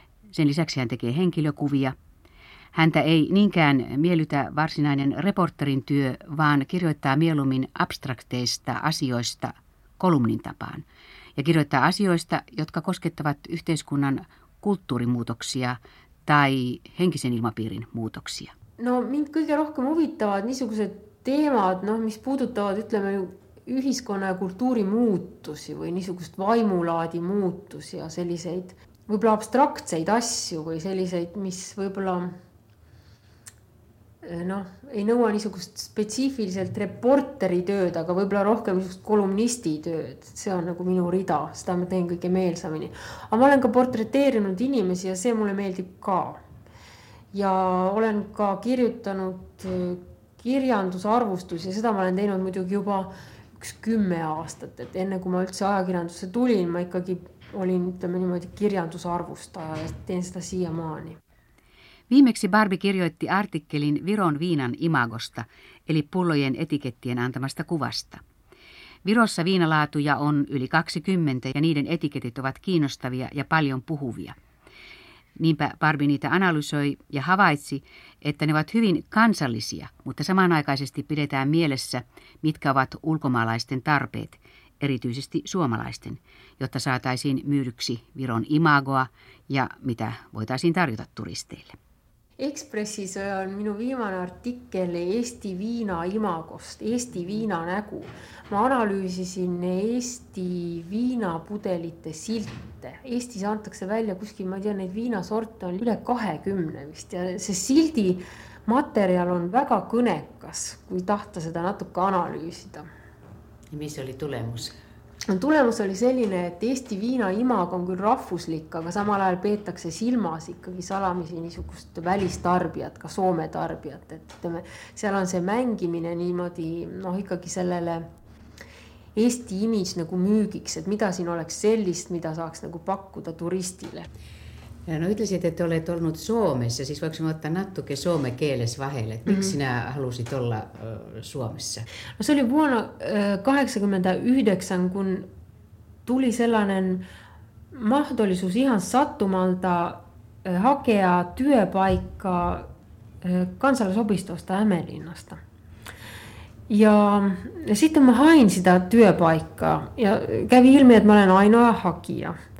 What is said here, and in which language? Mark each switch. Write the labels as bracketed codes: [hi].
[fi] Sen lisäksi hän tekee henkilökuvia. Häntä ei niinkään miellytä varsinainen reporterin työ, vaan kirjoittaa mieluummin abstrakteista asioista kolumnin tapaan. Ja kirjoittaa asioista, jotka koskettavat yhteiskunnan kulttuurimuutoksia tai henkisen ilmapiirin muutoksia. [et] No, mind kõige rohkem huvitavad niisugused teemad, no, mis puudutavad, ütleme, ühiskonna ja kultuuri muutusi või niisugust vaimulaadi muutusi ja selliseid võib-olla abstraktseid asju või selliseid, mis võib-olla no, ei nõua niisugust spetsiifiliselt reporteri tööd, aga võib-olla rohkem niisugust kolumnisti tööd. See on nagu minu rida, seda ma teen kõige meelsamini. Aga ma olen ka portreteerinud inimesi ja see mulle meeldib ka. Ja olen ka kirjutanud kirjandusarvustus ja seda ma olen teinud muidugi juba 10 aastat, et enne kui ma üldse ajakirjandusse tulin, ma ikkagi olin, ütleme niimoodi, kirjandusarvustaja ja teen seda siia maani. [fi] Viimeksi Barbie kirjoitti artikkelin Viron viinan imagosta, eli pullojen etikettien antamasta kuvasta. Virossa viinalaatuja on yli 20 ja niiden etiketit ovat kiinnostavia ja paljon puhuvia. Niinpä Barbie niitä analysoi ja havaitsi, että ne ovat hyvin kansallisia, mutta samanaikaisesti pidetään mielessä, mitkä ovat ulkomaalaisten tarpeet, erityisesti suomalaisten, jotta saataisiin myydyksi Viron imagoa ja mitä voitaisiin tarjota turisteille. [et] Ekspressis on minu viimane artikkel Eesti viina imagost, Eesti viina nägu. Ma analüüsisin Eesti viinapudelite silte. Eestis antakse välja kuskil, ma ei tea, neid viinasorte on üle 20 vist. Ja see sildi materjal on väga kõnekas, kui tahta seda natuke analüüsida. Ja mis oli tulemus? Tulemus oli selline, et Eesti viina imago on küll rahvuslik, aga samal ajal peetakse silmas ikkagi salamisi niisugust välistarbijat, ka Soome tarbijat. Ütleme, seal on see mängimine niimoodi noh, ikkagi sellele Eesti imis nagu müügiks, et mida siin oleks sellist, mida saaks nagu pakkuda turistile. Ja no ütlesid, et oled olnud Soomes ja siis võiks ma võtta natuke soome keeles vahele, et miks [fi] sinä halusid olla Suomessa? [et] No see oli [fi] vuonna 89, kun tuli sellainen mahdollisuus ihan sattumalta hakea työpaikka kansalaisopistosta Ämelinnasta. Ja sitten ma hain seda työpaikka ja kävi ilmi, et ma olen ainoa hakija.